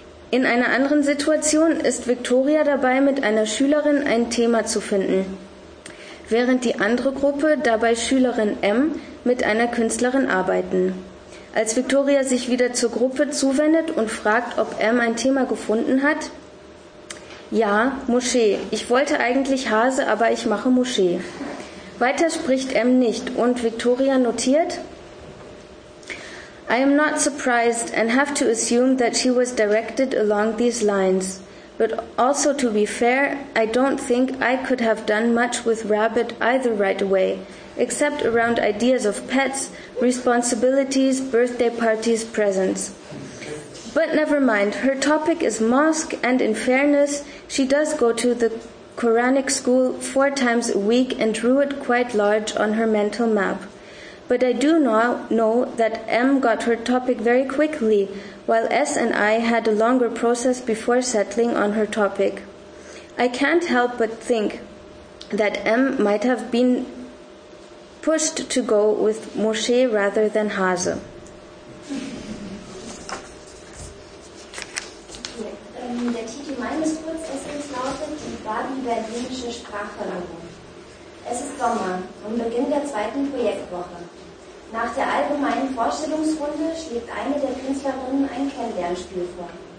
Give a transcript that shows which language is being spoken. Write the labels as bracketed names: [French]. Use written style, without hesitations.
[German] In einer anderen Situation ist Victoria dabei, mit einer Schülerin ein Thema zu finden, während die andere Gruppe, dabei Schülerin M, mit einer Künstlerin arbeiten. Als Victoria sich wieder zur Gruppe zuwendet und fragt, ob M ein Thema gefunden hat: Ja, Moschee. Ich wollte eigentlich Hase, aber ich mache Moschee. Weiter spricht M nicht und Victoria notiert: [English] I am not surprised and have to assume that she was directed along these lines. But also to be fair, I don't think I could have done much with Rabbit either right away, except around ideas of pets, responsibilities, birthday parties, presents. But never mind, her topic is mosque, and in fairness, she does go to the Quranic school 4 times a week and drew it quite large on her mental map. But I do know that M got her topic very quickly, while S and I had a longer process before settling on her topic. I can't help but think that M might have been pushed to go with Moshe rather than Hase. [German] Der Titel meines Kurzessays lautet Die Babylonische Sprachverlagerung. Es ist Sommer, am Beginn der zweiten Projektwoche. Nach der allgemeinen Vorstellungsrunde schlägt eine der Künstlerinnen ein Kennenlernspiel vor.